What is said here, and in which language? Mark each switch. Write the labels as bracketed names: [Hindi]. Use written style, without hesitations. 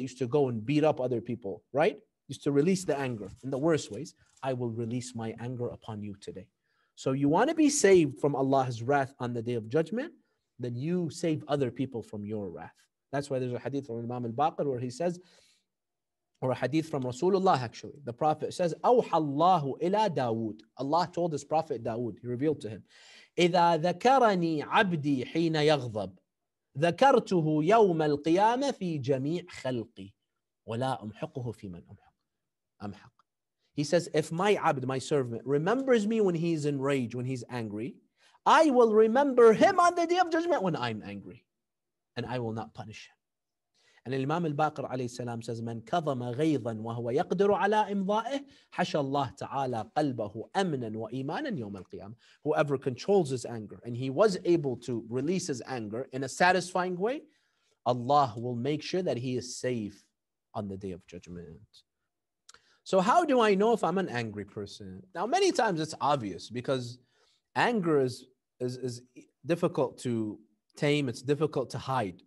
[English] You used to go and beat up other people, right? You used to release the anger in the worst ways. I will release my anger upon you today. So you want to be saved from Allah's wrath on the day of judgment, then you save other people from your wrath. That's why there's a hadith from Imam al-Baqir where he says, or a hadith from Rasulullah actually. The Prophet says, [Arabic] أَوْحَى اللَّهُ إِلَىٰ دَاوُودِ. [English] Allah told his Prophet Dawood, he revealed to him, [Arabic] إِذَا ذَكَرَنِي عَبْدِي حِينَ يَغْضَبْ ذَكَرْتُهُ يَوْمَ الْقِيَامَةِ فِي جَمِيعِ خَلْقِي وَلَا أُمْحِقُهُ فِي مَنْ أُمْحَقُ. [English] He says, if my abd, my servant, remembers me when he's enraged, when he's angry, I will remember him on the day of judgment when I'm angry. And I will not punish him. And Imam al-Baqir alayhi salam says, [Arabic] مَنْ كَظَمَ غَيْظًا وَهُوَ يَقْدِرُ عَلَىٰ إِمْضَائِهِ حَشَى اللَّهُ تَعَالَى قَلْبَهُ أَمْنًا وَإِيمَانًا يَوْمَ الْقِيَامِ. [English] Whoever controls his anger and he was able to release his anger in a satisfying way, Allah will make sure that he is safe on the day of judgment. So how do I know if I'm an angry person? Now, many times it's obvious because anger is difficult to tame, it's difficult to hide.